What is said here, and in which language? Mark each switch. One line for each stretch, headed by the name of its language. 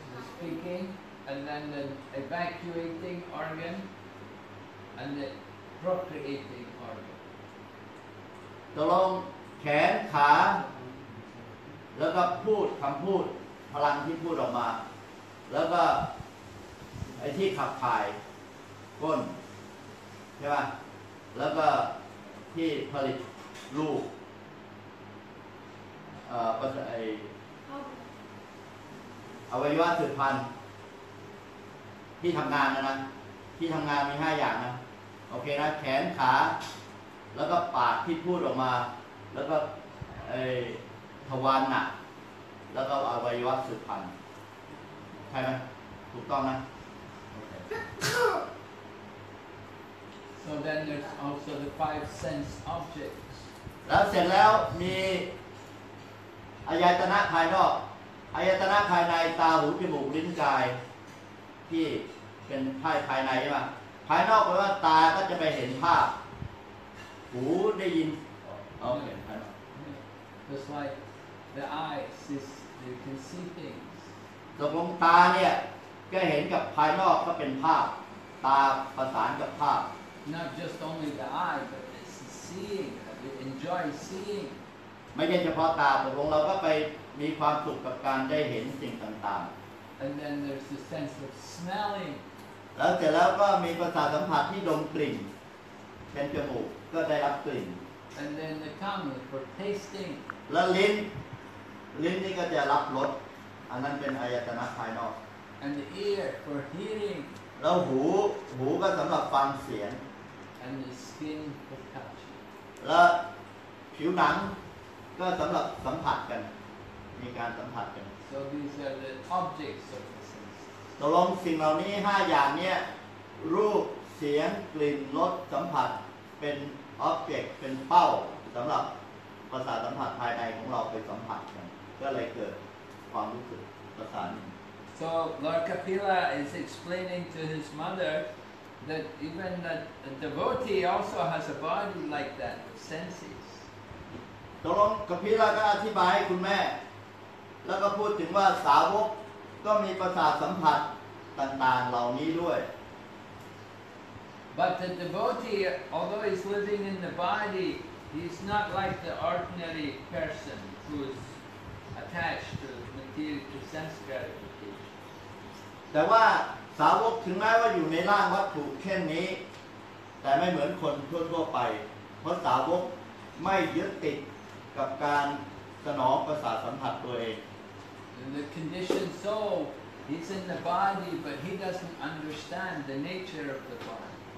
English: speaking and then the evacuating organ and the procreating organ
Thai: ตกลงแขนขาแล้วก็พูดคำพูดพลังที่พูดออกมาแล้วก็ไอ้ที่ขับถ่ายก้นใช่ป่ะแล้วก็ที่ผลิตลูก ประสาทอวัยวะสืบพันธุ์ที่ทำงานนะที่ทำงานมี5อย่างนะโอเคนะแขนขาแล้วก็ปากที่พูดออกมาแล้วก็ไอ้ทวารน่ะแล้วก็อวัยวะสืบพันธุ์ใช่ไหมถูกต้องนะ
English: so then there's also the five sense objects
Thai: แล้วเสร็จแล้วมีอายตนะภายนอกอายตนะภายในตาหูจมูกลิ้นกายที่เป็นภายในใช่ป่ะภายนอกแปลว่าตาก็จะไปเห็นภาพหูได้ยินโอเคครับ
English: just like the eyes is you can see things
Thai: ตรงตาเนี่ยก็เห็นกับภายนอกก็เป็นภาพตาประสานกับภาพ
English: not just only the eye but it's seeing we enjoy seeing
Thai: ไม่ใช่เฉพาะตาตกลงเราก็ไปมีความสุขกับการได้เห็นสิ่งต่าง
English: ๆ And then there's the sense of smelling
Thai: แล้วเสร็จแล้วก็มีประสาทสัมผัสที่ดมกลิ่นเป็นจมูกก็ได้รับกลิ่น
English: And then the tongue for tasting
Thai: แล้วลิ้นนี่ก็จะรับรสอันนั้นเป็นอายตนะภายนอก
English: And the ear for hearing
Thai: แล้วหูก็สำหรับฟังเสียง
English: And the skin for touch
Thai: แล้วผิวหนังก็สำหรับสัมผัสกันมีการสัมผัสกัน
English: so these are the objects of the senses
Thai: ตกลงสิ่งเหล่านี้5อย่างเนี้ยรูปเสียงกลิ่นรสสัมผัสเป็นออบเจกต์เป็นเป้าสำหรับประสาทสัมผัสภายในของเราไปสัมผัสกันก็เลยเกิดความรู้สึกประสาน
English: so Lord Kapila is explaining to his mother that even that a devotee also has a body like that with senses.
Thai: ตกลงกับพี่ลาก็อธิบายให้คุณแม่แล้วก็พูดถึงว่าสาวกก็มีประสาทสัมผัสต่างๆเหล่านี้ด้วย
English: But the devotee, although he's living in the body, he's not like the ordinary person who's attached to material to sense gratification.
Thai: แต่ว่าสาวกถึงแม้ว่าอยู่ในร่างวัตถุเช่นนี้แต่ไม่เหมือนคนทั่วๆไปเพราะสาวกไม่ยึดติด กับการสนองประสาทสัมผัสตัวเอง
English: The conditioned soul is in the body but he doesn't understand the nature of the body